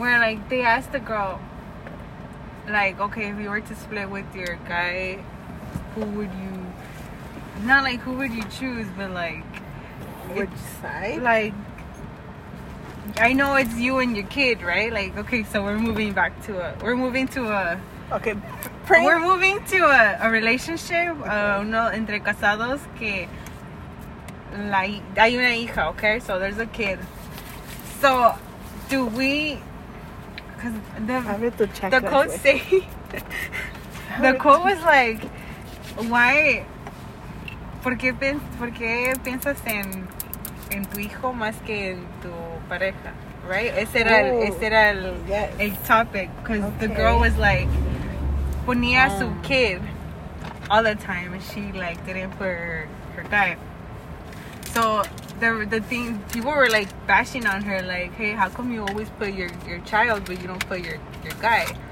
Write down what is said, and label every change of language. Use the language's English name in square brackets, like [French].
[English] where, like, they asked the girl, like, okay, if you were to split with your guy, who would you, not like, who would you choose, but, like, which side? Like, I know it's you and your kid, right? Like, okay, so we're moving to a relationship. Okay. [Spanish] Uno entre casados que la hay una hija, okay? [English] So there's a kid. So do we? Because the quote say the quote was like, why? [Spanish] Por qué piensas en tu hijo más que en tu pareja, [English] right? [Spanish] Ese era el [English] topic, because okay. The girl was like, [Spanish] ponía su [English] kid all the time, and she like didn't put her guy. So the thing, people were like bashing on her, like, hey, how come you always put your child, but you don't put your guy?